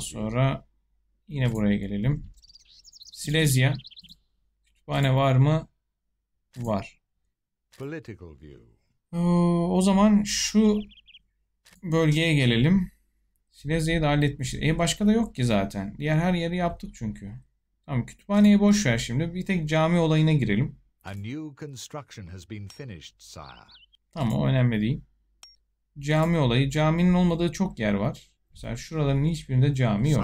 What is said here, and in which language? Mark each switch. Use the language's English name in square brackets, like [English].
[Turkish] sonra yine buraya gelelim. Silezya kütüphane var mı? Var. [English] Political view. [Turkish] O zaman şu bölgeye gelelim. Silezya'yı da halletmişiz. Başka da yok ki zaten. Diğer her yeri yaptık çünkü. Tamam, kütüphaneyi boş ver şimdi. Bir tek cami olayına girelim. [English] A new construction has been finished, sire. [Turkish] Tamam, o önemli değil. Cami olayı. Caminin olmadığı çok yer var. Mesela şuraların hiçbirinde cami yok.